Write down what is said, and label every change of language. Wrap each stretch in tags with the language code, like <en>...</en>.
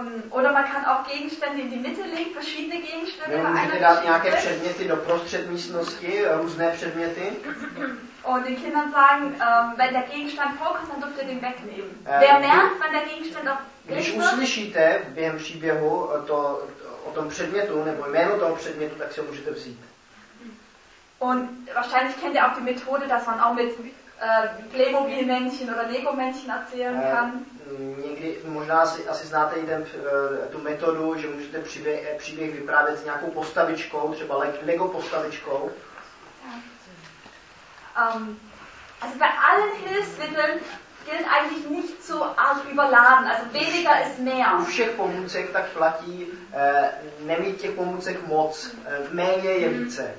<de>Oder man kann auch Gegenstände in die Mitte legen, verschiedene Gegenstände.</de> <cs>Nebo můžete dát nějaké předměty do prostřed místnosti, různé předměty.</cs> <de>Und den Kindern sagen, wenn der Gegenstand vorkommt, dann dürft ihr den wegnehmen. Wer merkt, wenn der Gegenstand auf</de> <cs>Když uslyšíte během příběhu to, o tom předmětu nebo jméno toho předmětu, tak si ho můžete vzít.</cs> <de>Und wahrscheinlich kennt ihr auch die Methode, dass man auch mit Playmobil-Männchen oder Lego-Männchen erzählen kann.</de> <cs>Někdy možná asi znáte i tu metodu, že můžete příběh vyprávět s nějakou postavičkou, třeba Lego postavičkou.</cs> <de>Also bei allen Hilfsmitteln gilt eigentlich nicht so arg überladen, also weniger ist mehr.</de> <cs>U všech pomůcek tak platí, nemít těch pomůcek moc, méně je více.</cs>